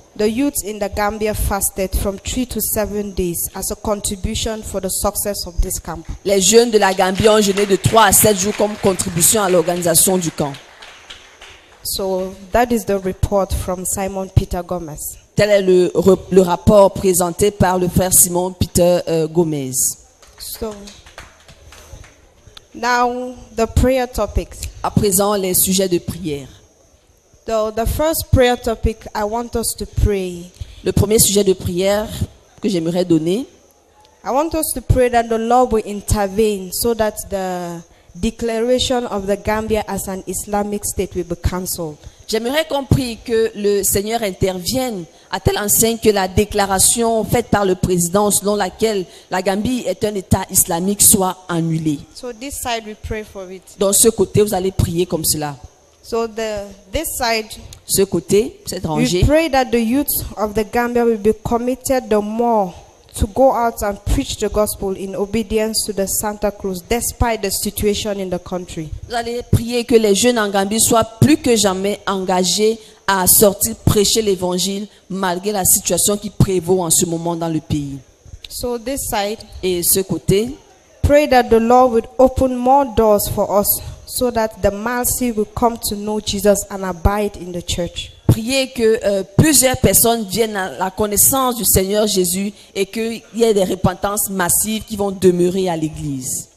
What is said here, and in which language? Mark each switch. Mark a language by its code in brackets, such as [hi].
[en] the youth in the Gambia fasted from 3 to 7 days as a contribution for the success of this camp. [fr] Les jeunes de la Gambie ont jeûné de 3 à 7 jours comme contribution à l'organisation du camp. [en] So that is the report from Simon Peter Gomez. [fr] Tel est le rapport présenté par le frère Simon Peter Gomez. [en] So now the prayer topics. [fr] À présent les sujets de prière. [en] So the first prayer topic I want us to pray. [fr] Le premier sujet de prière que j'aimerais donner. [en] I want us to pray that the Lord will intervene so that the declaration of the Gambia as an Islamic state will be cancelled. [fr] J'aimerais qu'on prie que le Seigneur intervienne à tel enseigne que la déclaration faite par le président selon laquelle la Gambie est un État islamique soit annulée. [en] So this side we pray for it. [fr] Dans ce côté, vous allez prier comme cela. [en] So the this side, [fr] ce côté, cette rangée, [en] we pray that the youth of the Gambia will be committed the more to go out and preach the gospel in obedience to the Santa Cruz, despite the situation in the country. [fr] Vous allez prier que les jeunes en Gambie soient plus que jamais engagés à sortir prêcher l'évangile malgré la situation qui prévaut en ce moment dans le pays. [en] So this side, [fr] et ce côté, [en] pray that the Lord would open more doors for us, so that the Malsi will come to know Jesus and abide in the church. [fr] Priez que plusieurs personnes viennent à la connaissance du Seigneur Jésus et qu'il y ait des repentances massives qui vont demeurer à l'église.